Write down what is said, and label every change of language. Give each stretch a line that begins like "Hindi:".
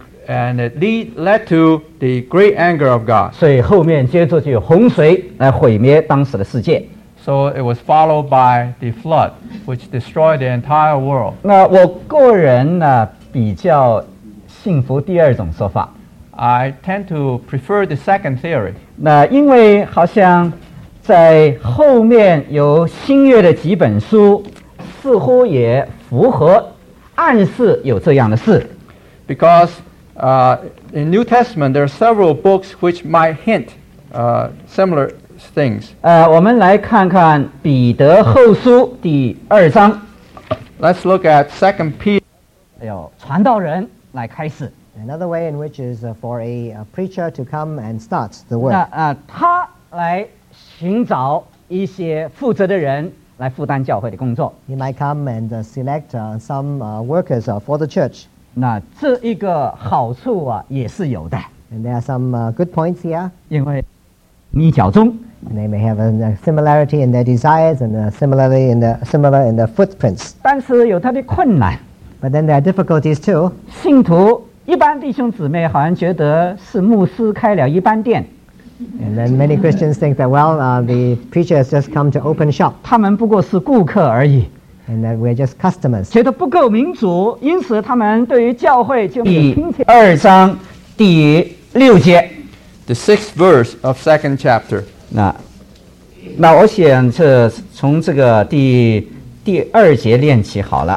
English: And it led to the great anger of God.
Chinese: 所以后面接着就有洪水来毁灭当时的世界。
English: So it was followed by the flood, which destroyed the entire world.
Chinese: 那我个人呢，比较信服第二种说法。
English: I tend to prefer the second theory.
Chinese: 那因为好像在后面有新约的几本书似乎也符合暗示有这样的事。
English: Because in New Testament there are several books which might hint similar things.
Chinese: 我们来看看彼得后书第二章。
English: Let's look at 2 Peter.
Chinese: 有传道人来开始。
English: Another way in which is for a preacher to come and start the work.
Chinese: 他来寻找一些负责的人来负担教会的工作。
English: He might come and select some workers for the church.
Chinese: 那这一个好处啊，也是有的。
English: And there are some good points here.
Chinese: 因为你脚中
English: they may have a similarity in their desires and similar in the footprints.
Chinese: 但是有它的困难。
English: But then there are difficulties too.
Chinese: 信徒一般弟兄姊妹好像觉得是牧师开了一般店。
English: And then many Christians think that, well, the preacher has just come to open shop.
Chinese: 他们不过是顾客而已。
English: And that we're just customers.
Chinese: 觉得不够民主，因此他们对于教会就没有亲切。第二章第六节。
English: The sixth verse of second chapter.
Chinese: 那我想是从这个第二节念起好了。